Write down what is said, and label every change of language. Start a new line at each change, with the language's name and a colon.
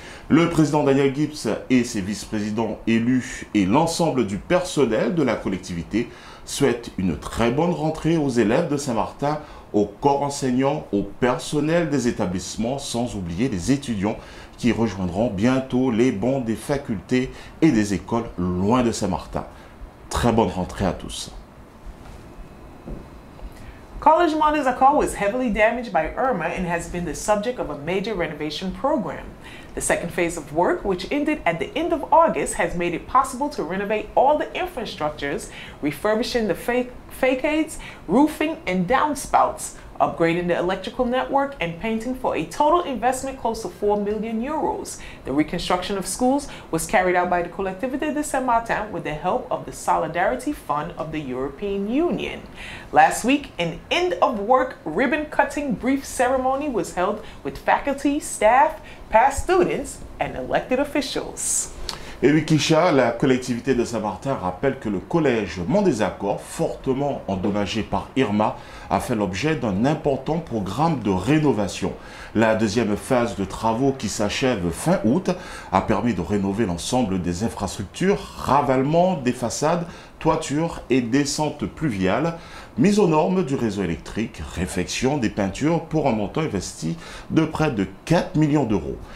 French: Le président Daniel Gibbs et ses vice-présidents élus et l'ensemble du personnel de la collectivité souhaitent une très bonne rentrée aux élèves de Saint-Martin, aux corps enseignants, au personnel des établissements, sans oublier les étudiants qui rejoindront bientôt les bancs des facultés et des écoles loin de Saint-Martin. Très bonne rentrée à tous.
English: College Mondes Accor was heavily damaged by Irma and has been the subject of a major renovation program. The second phase of work, which ended at the end of August, has made it possible to renovate all the infrastructures, refurbishing the facades, roofing and downspouts, upgrading the electrical network and painting for a total investment close to 4 million euros. The reconstruction of schools was carried out by the Collectivité de Saint-Martin with the help of the Solidarity Fund of the European Union. Last week, an end-of-work ribbon-cutting brief ceremony was held with faculty, staff, past students and elected officials.
French: Et oui, Kisha, la Collectivité de Saint-Martin rappelle que le Collège Mont des Accords, fortement endommagé par Irma, a fait l'objet d'un important programme de rénovation. La deuxième phase de travaux qui s'achève fin août a permis de rénover l'ensemble des infrastructures, ravalement des façades, toitures et descentes pluviales, mise aux normes du réseau électrique, réfection des peintures pour un montant investi de près de 4 millions d'euros.